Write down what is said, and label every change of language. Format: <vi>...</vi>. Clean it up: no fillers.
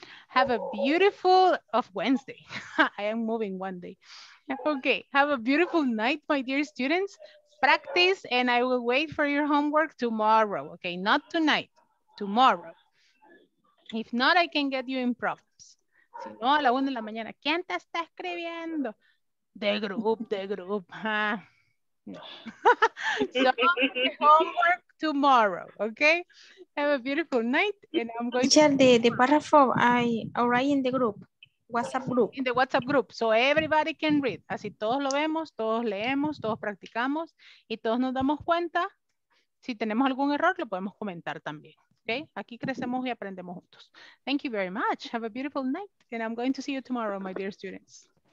<en>Have a beautiful of Wednesday. I am moving one day. Okay, have a beautiful night, my dear students. Practice, and I will wait for your homework tomorrow, okay? Not tonight, tomorrow. If not, I can get you in problems.</en> <es>Si no, a la una de la mañana, ¿quién te está escribiendo?</es> <en>The group. Huh? No. So, homework tomorrow, okay? Have a beautiful night, and I'm going teacher, to- the paragraph, I write in the group, WhatsApp group. In the WhatsApp group, so everybody can read.</en> <es>Así todos lo vemos, todos leemos, todos practicamos, y todos nos damos cuenta. Si tenemos algún error, lo podemos comentar también.</es> <en>Okay,</en> <es>aquí crecemos y aprendemos juntos.</es> <en>Thank you very much. Have a beautiful night. And I'm going to see you tomorrow, my dear students.</en>